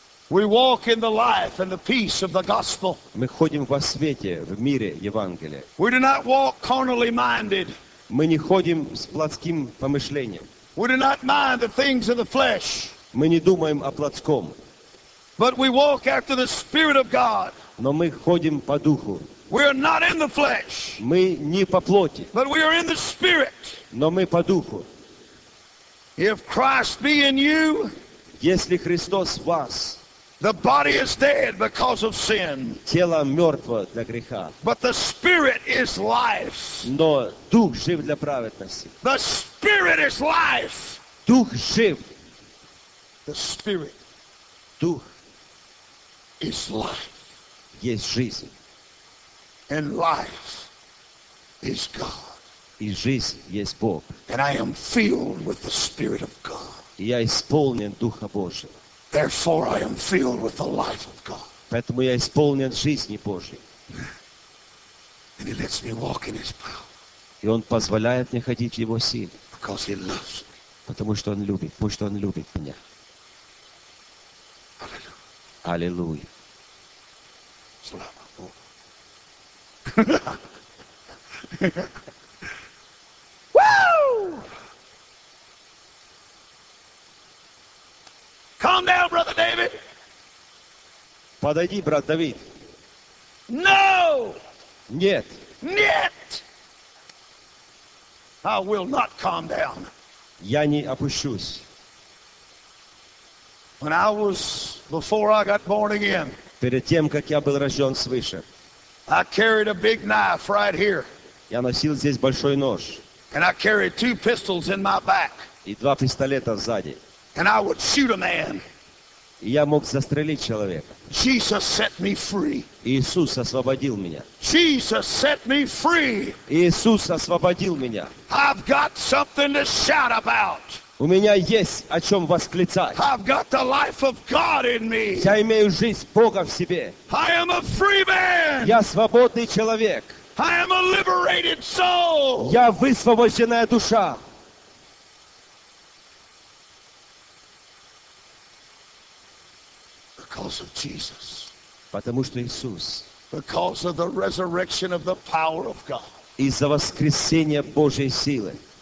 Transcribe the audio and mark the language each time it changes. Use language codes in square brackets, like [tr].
[en] We walk in the life and the peace of the gospel. [ru] Мы ходим во свете, в мире Евангелия. [en] We do not walk carnally minded. [ru] Мы не ходим с плотским помышлением. [en] We do not mind the things of the flesh. [ru] Мы не думаем о плотском. [en] But we walk after the Spirit of God. [ru] Но мы ходим по Духу. [en] We are not in the flesh. [ru] Мы не по плоти. [en] But we are in the Spirit. [ru] Но мы по Духу. [en] If Christ be in you, [ru] если Христос в вас, [en] the body is dead because of sin. [ru] Тело мертво для греха. [en] But the Spirit is life. [ru] Но Дух жив для праведности. [en] The Spirit is life. [ru] Дух жив. [en] The Spirit. [ru] Дух. [en] Is life. [ru] Есть жизнь. [en] And life is God. [ru] И жизнь есть Бог. [en] And I am filled with the Spirit of God. [ru] И я исполнен Духа Божьего. [en] Therefore I am filled with the life of God. [ru] Поэтому я исполнен жизни Божьей. [en] And he lets me walk in his power. [ru] И он позволяет мне ходить в его силе. [en] Because he loves me. [ru] Потому что он любит. Потому что он любит меня. [en] Hallelujah. [ru] Аллилуйя. Слава. Woo! [en] Calm down, brother David. [ru] Подойди, брат Давид. [en] No. [ru] Нет. Нет. [en] I will not calm down. [ru] Я не опущусь. [en] When I was before I got born again. [ru] Перед тем, как я был рожден свыше. [en] I carried a big knife right here. [ru] Я носил здесь большой нож. [en] And I carried 2 pistols in my back. [ru] И 2 пистолета сзади. [en] And I would shoot a man. [ru] Я мог застрелить человека. [en] Jesus set me free. [ru] Иисус освободил меня. [en] Jesus set me free. [ru] Иисус освободил меня. [en] I've got something to shout about. [ru] У меня есть о чем восклицать. [en] I've got the life of God in me. [ru] Я имею жизнь Бога в себе. [en] I am a free man. [ru] Я свободный человек. [en] I am a liberated soul. [ru] Я высвобожденная душа. [en] Because of Jesus. [ru] Потому что Иисус. [en] Because of the resurrection of the power of God. [ru] Из-за воскресения Божьей силы.